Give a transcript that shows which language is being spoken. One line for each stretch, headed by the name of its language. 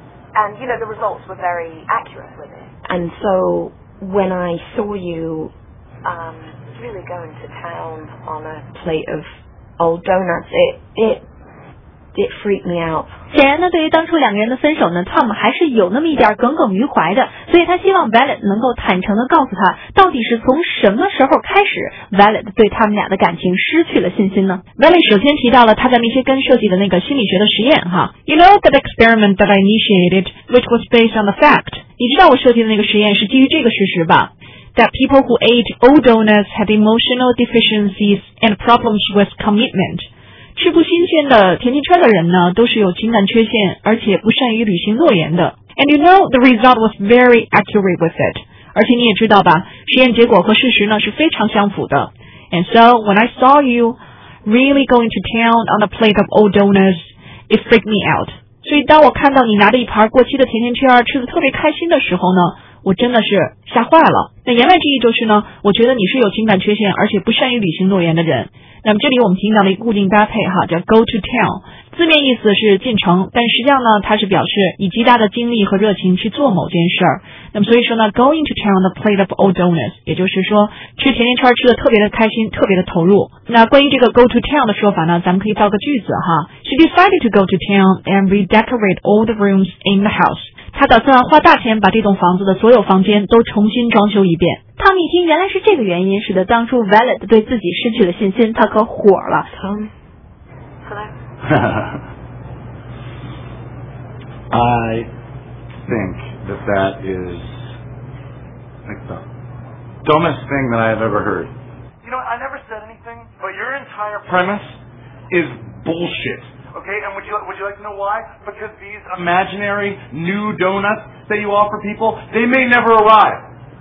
English: And, you know, the results were very accurate with it. And so... When I saw you really going to town on a plate of old donuts, it freaked me out.
Chinese: 显然呢，对于当初两个人的分手呢 ，Tom 还是有那么一点耿耿于怀的，所以他希望 Violet 能够坦诚地告诉他，到底是从什么时候开始 Violet 对他们俩的感情失去了信心呢？Violet 首先提到了他在密歇根设计的那个心理学的实验哈。
English: You know that experiment that I initiated, which was based on the fact.
Chinese: 你知道我设计的那个实验是基于这个事实吧
English: ？That people who ate old donuts had emotional deficiencies and problems with commitment.
Chinese: 吃不新鲜的甜甜圈的人呢，都是有情感缺陷，而且不善于履行诺言的。
English: And you know the result was very accurate with it.
Chinese: 而且你也知道吧，实验结果和事实呢是非常相符的。
English: And so when I saw you, really going to town on a plate of old donuts. It freaked me out.
Chinese: 所以当我看到你拿着一盘过期的甜甜圈吃得特别开心的时候呢，我真的是吓坏了。那言外之意就是呢，我觉得你是有情感缺陷而且不善于履行诺言的人。那么这里我们听到了一个固定搭配哈，叫 go to town， 字面意思是进城，但实际上呢它是表示以极大的精力和热情去做某件事。那么所以说呢，
English: going to town on a plate of old donuts，
Chinese: 也就是说吃甜甜圈吃得特别的开心，特别的投入。那关于这个 go to town 的说法呢，咱们可以造个句子哈，
English: she decided to go to town and redecorate all the rooms in the house，
Chinese: 她打算花大钱把这栋房子的所有房间都重新装修一遍。汤米一听原来是这个原因，使得当初 Violet 对自己失去了信心，他可火了。
English: Tom, hello. I think that that is like the dumbest thing that I have ever heard. You know, I never said anything, but your entire premise is bullshit. Okay, and would you like to know why? Because these imaginary new donuts that you offer people, they may never arrive.